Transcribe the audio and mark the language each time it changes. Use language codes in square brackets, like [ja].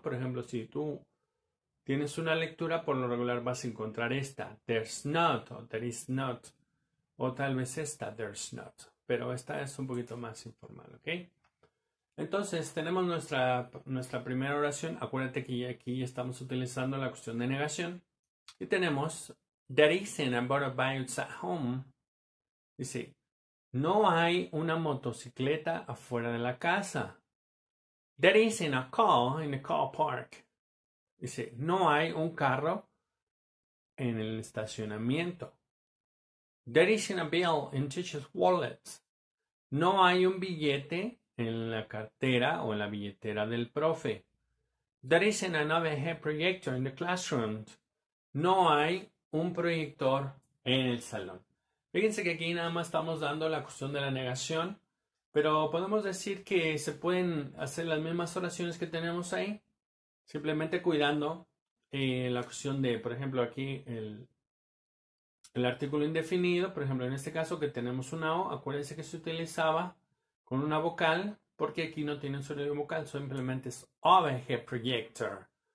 [es] Por ejemplo, si tú tienes una lectura, por lo regular vas a encontrar esta. [en] There's not o there is not. [es] O tal vez esta, [en] there's not. [es] Pero esta es un poquito más informal, ¿ok? Entonces, tenemos nuestra primera oración. Acuérdate que aquí estamos utilizando la cuestión de negación. Y tenemos, [en] there isn't a motorbike at home. [es] Dice, no hay una motocicleta afuera de la casa. [en] There isn't a car in the car park. [es] Dice, no hay un carro en el estacionamiento. [en] There isn't a bill in teacher's wallet. [es] No hay un billete en la cartera o en la billetera del profe. [en] There isn't an overhead projector in the classroom. [es] No hay un proyector en el salón. Fíjense que aquí nada más estamos dando la cuestión de la negación, pero podemos decir que se pueden hacer las mismas oraciones que tenemos ahí, simplemente cuidando la cuestión de, por ejemplo, aquí el artículo indefinido, por ejemplo, en este caso que tenemos una O, acuérdense que se utilizaba con una vocal, porque aquí no tiene un sonido vocal, simplemente es OVG Projector.